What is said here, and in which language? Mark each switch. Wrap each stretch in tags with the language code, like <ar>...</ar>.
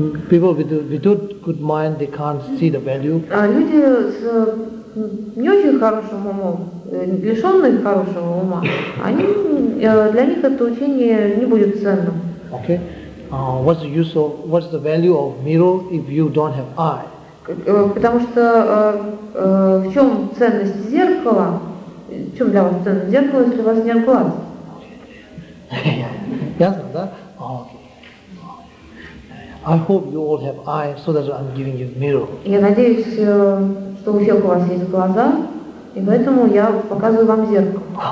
<en>People without good mind, they can't see the value.</en> <ru>А люди с не очень хорошим умом, лишенные хорошего ума, они для них это учение не будет ценным.</ru> <en>Okay. What's the use of, what's the value of mirror if you don't have eye?</en> <ru>Потому что в чем ценность зеркала? В чем для вас ценность зеркала, если у вас нет глаз? Ясно, да? Okay.</ru> <en>I hope you all have eyes, so that I'm giving you mirror.</en> <ru>Я надеюсь, что у всех у вас есть глаза, и поэтому я показываю вам зеркало.</ru>